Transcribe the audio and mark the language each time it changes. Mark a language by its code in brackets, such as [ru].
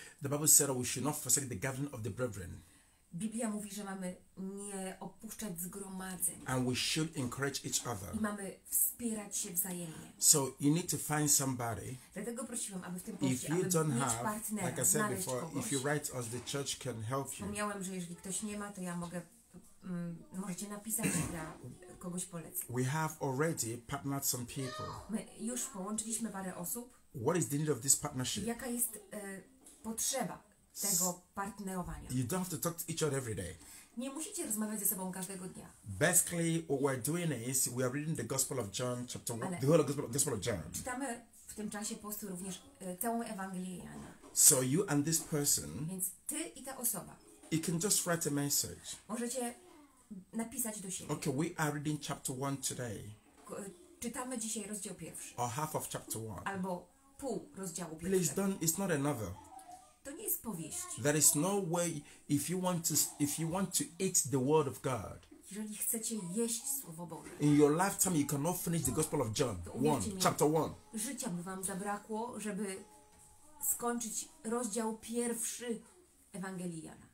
[en] The Bible said we should not forsake the gathering of the brethren. [pl] Biblia mówi, że mamy nie opuszczać zgromadzeń. [en] And we should encourage each other. [pl] I mamy wspierać się wzajemnie. [en] So you need to find somebody. [pl] Dlatego prosiłem, aby w tym poście, aby mieć partnera, [en] like I said before, [pl] kogoś. [en] If you write us, the church can help you. [pl] Wspomniałem, że jeżeli ktoś nie ma, to ja mogę. Możecie napisać dla kogoś polecę. [en] We have already partnered some people. [pl] My już połączyliśmy parę osób. [en] What is the need of this partnership? [pl] Jaka jest potrzeba tego partnerowania? [en] You don't have to talk to each other every day. [pl] Nie musicie rozmawiać ze sobą każdego dnia. [en] Basically, what we're doing is we are reading the Gospel of John, chapter 1, the whole Gospel of John. [pl] Czytamy w tym czasie postu również całą Ewangelię Jana. [en] So you and this person. [pl] Więc ty i ta osoba. [en] You can just write a message. [pl] Możecie napisać do siebie. [en] Okay, we are reading chapter 1 today. [pl] Czytamy dzisiaj rozdział pierwszy. [en] Or half of chapter 1. [pl] Albo pół rozdziału pierwszego. [en] Please don't, it's not a novel. [pl] To nie jest powieść. [en] There is no way if you want to eat the word of God. [pl] Jeżeli chcecie jeść słowo Boże. [en] In your lifetime you cannot finish the Gospel of John 1, chapter 1. [pl] Życia by wam zabrakło, żeby skończyć rozdział pierwszy Ewangelii Jana.